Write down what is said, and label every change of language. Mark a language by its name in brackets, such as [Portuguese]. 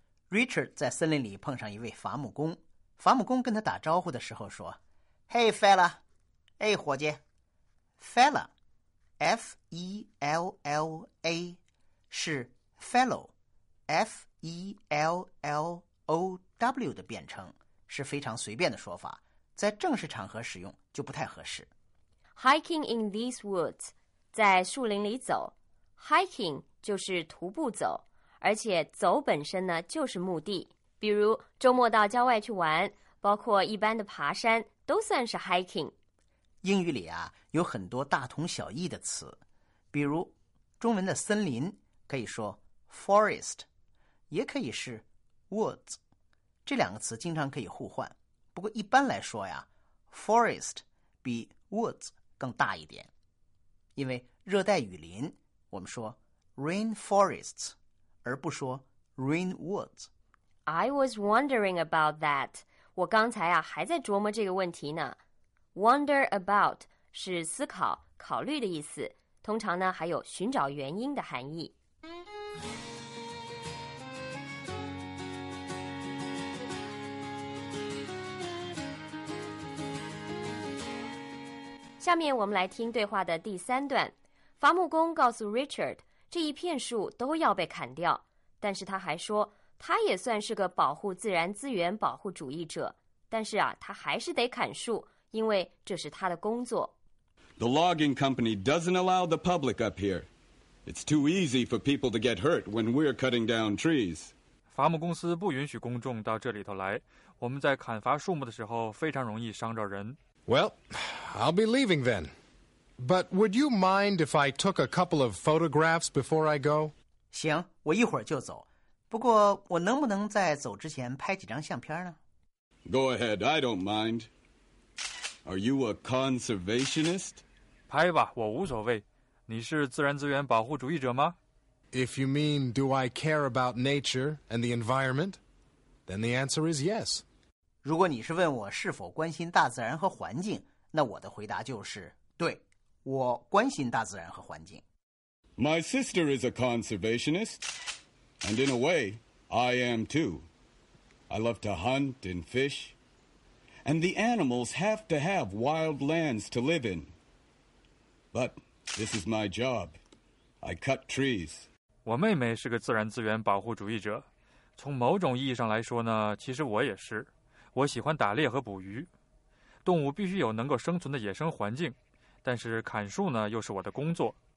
[Chinese] Richard 在森林里碰上一位伐木工，伐木工跟他打招呼的时候说 ： [English] “Hey fella， [Chinese] 哎伙计 ，fella，F-E-L-L-A 是 fellow，F-E-L-L-O-W 的变称，是非常随便的说法。” 在正式场合使用就不太合适。 [English] Hiking in these woods， [Chinese] 在树林里走。 Hiking 就是徒步走，而且走本身呢就是目的。比如周末到郊外去玩，包括一般的爬山，都算是 hiking。英语里啊有很多大同小异的词，比如中文的森林可以说 forest， 也可以是 woods， 这两个词经常可以互换。不过一般来说呀 ，forest 比 woods 更大一点，因为热带雨林我们说 rainforests， 而不说 rain woods。 [English] I was wondering about that。 [Chinese] 我刚才啊还在琢磨这个问题呢。Wonder about 是思考、考虑的意思，通常呢还有寻找原因的含义。下面我们来听对话的第三段。伐木工告诉 Richard， 这一片树都要被砍掉，但是他还说，他也算是个保护自然资源保护主义者，但是啊，他还是得砍树，因为这是他的工作。 [English] The logging company doesn't allow the public up here. It's too easy for people to get hurt when we're cutting down trees. [Chinese] 伐木公司不允许公众到这里头来，我们在砍伐树木的时候非常容易伤着人。 [English] Well, I'll be leaving then. But would you mind if I took a couple of photographs before I go? [Chinese] 行，我一会儿就走。不过我能不能在走之前拍几张相片呢？ [English] Go ahead, I don't mind. Are you a conservationist? [Chinese] 拍吧，我无所谓。你是自然资源保护主义者吗？ [English] If you mean do I care about nature and the environment, then the answer is yes. [Chinese] 如果你是问我是否关心大自然和环境，那我的回答就是，对，我关心大自然和环境。 [English] My sister is a conservationist, and in a way, I am too. I love to hunt and fish, and the animals have to have wild lands to live in. But this is my job. I cut trees. [Chinese] 我妹妹是个自然资源保护主义者，从某种意义上来说呢，其实我也是。我喜欢打猎和捕鱼，动物必须有能够生存的野生环境，但是砍树呢，又是我的工作。